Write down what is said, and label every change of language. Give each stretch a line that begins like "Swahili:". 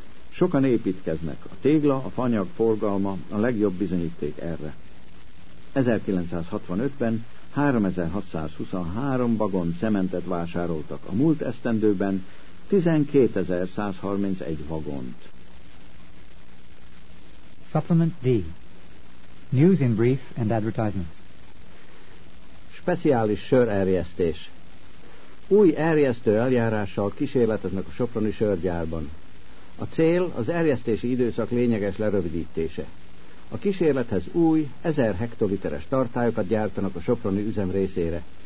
Hungarian: Sokan építkeznek, a tégla, a fanyag forgalma a legjobb bizonyíték erre. 1965-ben 3623 vagon cementet vásároltak, a múlt esztendőben 12.131 vagont.
English: Supplement D. News in brief and advertisements.
Hungarian: Speciális sörerjesztés. Új erjesztő eljárással kísérleteznek a soproni sörgyárban. A cél az erjesztési időszak lényeges lerövidítése. A kísérlethez új, 1000 hektoliteres tartályokat gyártanak a soproni üzem részére.